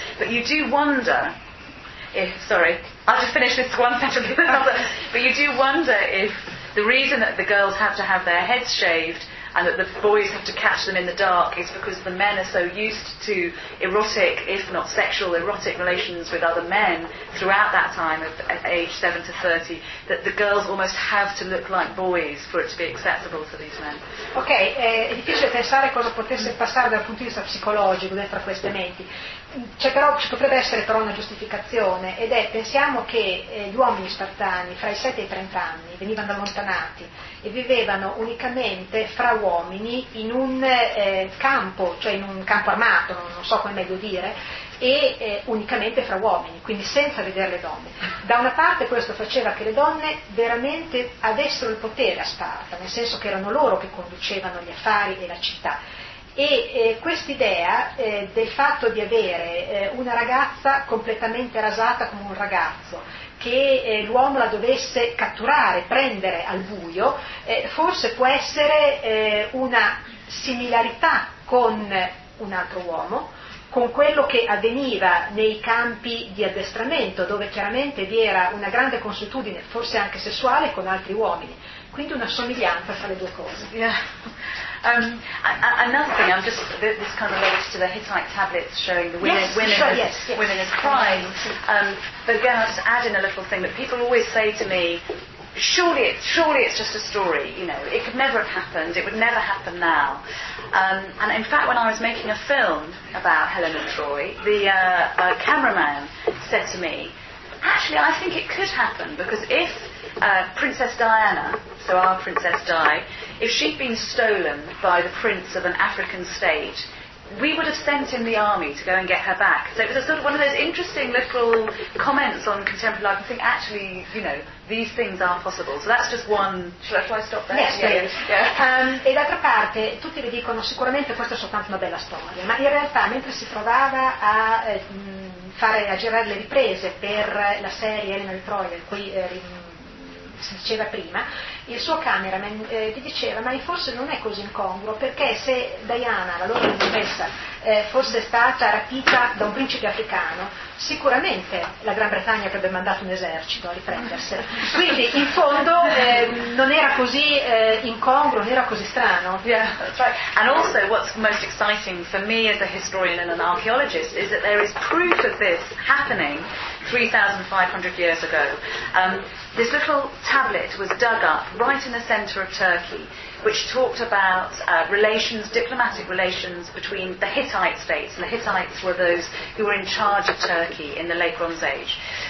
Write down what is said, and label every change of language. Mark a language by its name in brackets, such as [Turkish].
[English] But you do wonder if, sorry, I'll just finish this one sentence with another, but you do wonder if the reason that the girls have to have their heads shaved and that the boys have to catch them in the dark is because the men are so used to erotic, if not sexual, erotic relations with other men throughout that time of age 7 to 30, that the girls almost have to look like boys for it to be acceptable to these men. [Italian] Ok, è difficile pensare cosa potesse passare dal punto di vista psicologico dentro queste menti. C'è però, ci potrebbe essere però una giustificazione, ed è, pensiamo che gli uomini spartani fra i 7 e i 30 anni venivano allontanati e vivevano unicamente fra uomini in un campo, cioè in un campo armato, non so come meglio dire, e unicamente fra uomini, quindi senza vedere le donne. Da una parte questo faceva che le donne veramente avessero il potere a Sparta, nel senso che erano loro che conducevano gli affari e la città. E quest'idea del fatto di avere una ragazza completamente rasata come un ragazzo, che l'uomo la dovesse catturare, prendere al buio, forse può essere una similarità con un altro uomo, con quello che avveniva nei campi di addestramento, dove chiaramente vi era una grande consuetudine, forse anche sessuale, con altri uomini. Quindi una somiglianza tra le due cose. [English] Another thing, I'm just, this kind of relates to the Hittite tablets showing the women, women as crime. But again, I'll just add in a little thing that people always say to me, surely it's just a story, you know, it could never have happened, it would never happen now. And in fact, when I was making a film about Helen of Troy, the cameraman said to me, actually, I think it could happen, because if Princess Diana, so our Princess Di, if she'd been stolen by the prince of an African state, we would have sent in the army to go and get her back. So it was a sort of one of those interesting little comments on contemporary life. I think actually, you know, these things are possible. So that's just one. Shall I stop there? Yes, please. [Italian] E d'altra parte, tutti le dicono sicuramente questa è soltanto una bella storia, ma in realtà, mentre si trovava a a girare le riprese per la serie Elena di Troia, qui si diceva prima, il suo cameraman gli diceva, ma forse non è così incongruo, perché se Diana, la loro principessa, fosse stata rapita da un principe africano, sicuramente la Gran Bretagna avrebbe mandato un esercito a riprendersela. Quindi in fondo non era così incongruo, non era così strano. [English] Yeah, that's right. And also what's most exciting for me as a historian and an archaeologist is that there is proof of this happening 3,500 years ago. This little tablet was dug up right in the centre of Turkey, which talked about relations, diplomatic relations between the Hittite states, and the Hittites were those who were in charge of Turkey in the Late Bronze Age.